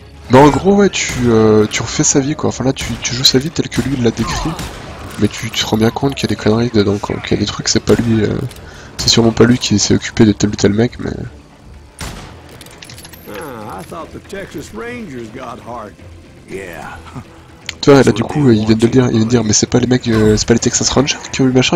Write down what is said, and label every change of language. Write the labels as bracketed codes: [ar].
[fr] Bah en gros ouais tu refais sa vie quoi, enfin là tu joues sa vie telle que lui il l'a décrit, mais tu te rends bien compte qu'il y a des conneries dedans quoi, qu'il y a des trucs c'est pas lui, c'est sûrement pas lui qui s'est occupé de tel ou tel mec mais... [en] Ah, I thought the Texas Rangers got hard. Yeah. [fr] Toi, là, du coup, il vient de dire, mais c'est pas les Texas Rangers qui ont eu machin.